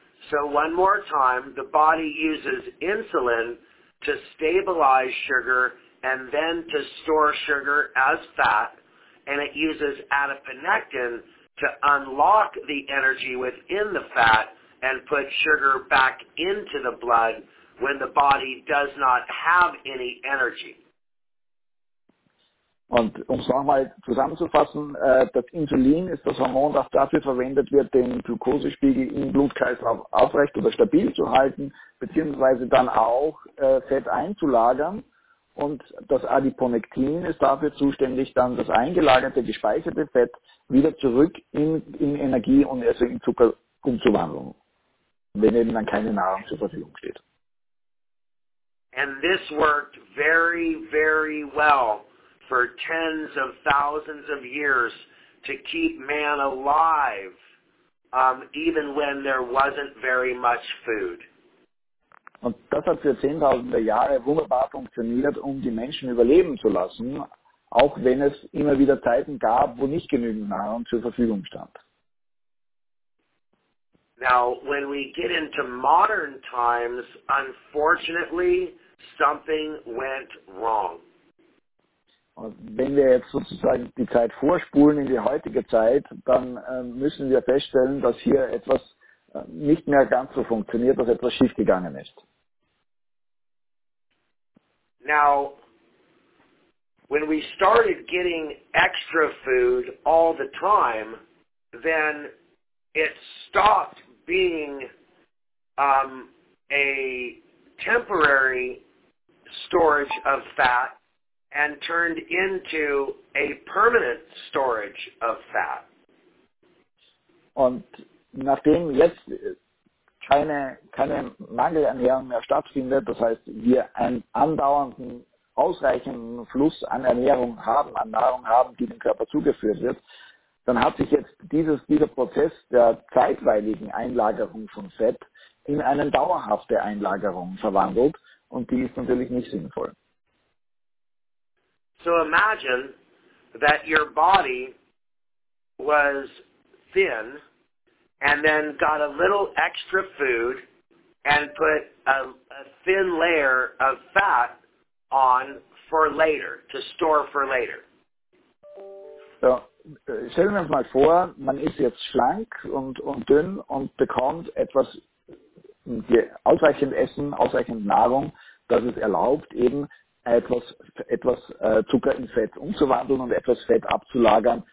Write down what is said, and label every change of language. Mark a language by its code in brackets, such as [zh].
[en] So one more time, the body uses insulin to stabilize sugar and then to store sugar as fat, and it uses adiponectin to unlock the energy within the fat and put sugar back into the blood when the body does not have any energy. [de] Und um es nochmal zusammenzufassen, das Insulin ist das Hormon, das dafür verwendet wird, den Glukosespiegel im Blutkreislauf aufrecht oder stabil zu halten, beziehungsweise dann auch Fett einzulagern. Und das Adiponektin ist dafür zuständig, dann das eingelagerte, gespeicherte Fett wieder zurück in Energie und also in Zucker umzuwandeln, wenn eben dann keine Nahrung zur Verfügung steht. [en] And this worked very, very well for tens of thousands of years to keep man alive, even when there wasn't very much food. [de] Und das hat für zehntausende Jahre wunderbar funktioniert, um die Menschen überleben zu lassen, auch wenn es immer wieder Zeiten gab, wo nicht genügend Nahrung zur Verfügung stand. [en] Now, when we get into modern times, unfortunately, something went wrong. [de] Und wenn wir jetzt sozusagen die Zeit vorspulen in die heutige Zeit, dann müssen wir feststellen, dass hier etwas nicht mehr ganz so funktioniert, dass etwas schiefgegangen ist. [en] Now, when we started getting extra food all the time, then it stopped being a temporary storage of fat and turned into a permanent storage of fat. [de] Und nachdem jetzt keine Mangelernährung mehr stattfindet, das heißt, wir einen andauernden, ausreichenden Fluss an Ernährung haben, an Nahrung haben, die dem Körper zugeführt wird, dann hat sich jetzt dieser Prozess der zeitweiligen Einlagerung von Fett in eine dauerhafte Einlagerung verwandelt und die ist natürlich nicht sinnvoll. [en] So imagine that your body was thin and then got a little extra food and put a thin layer of fat on for later, to store for later. [de] So, stellen wir uns mal vor, man ist jetzt schlank und dünn und bekommt etwas ausreichend Essen, ausreichend Nahrung, das es erlaubt, eben etwas Zucker in Fett umzuwandeln und etwas Fett abzulagern.